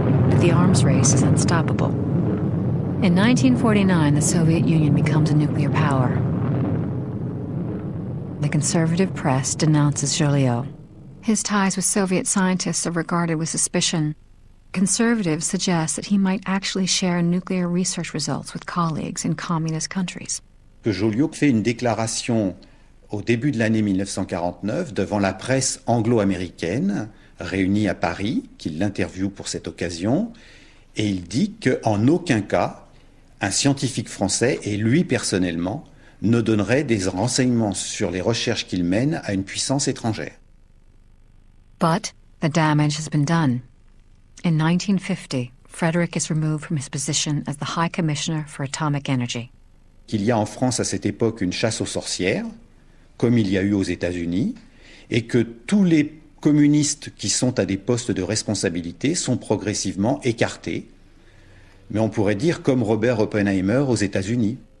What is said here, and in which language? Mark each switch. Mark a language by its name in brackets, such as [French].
[English] But the arms race is unstoppable. In 1949, the Soviet Union becomes a nuclear power. The conservative press denounces Joliot. His ties with Soviet scientists are regarded with suspicion. Conservatives suggest that he might actually share nuclear research results with colleagues in communist countries. [French] Que Joliot fait une déclaration au début de l'année 1949 devant la presse anglo-américaine réunie à Paris, qu'il l'interviewe pour cette occasion, et il dit qu'en aucun cas un scientifique français, et lui personnellement, ne donnerait des renseignements sur les recherches qu'il mène à une puissance étrangère. [English] But the damage has been done. In 1950, Frédéric is removed from his position as the High Commissioner for Atomic Energy. [French] Qu'il y a en France à cette époque une chasse aux sorcières, comme il y a eu aux États-Unis, et que tous les communistes qui sont à des postes de responsabilité sont progressivement écartés. Mais on pourrait dire comme Robert Oppenheimer aux États-Unis.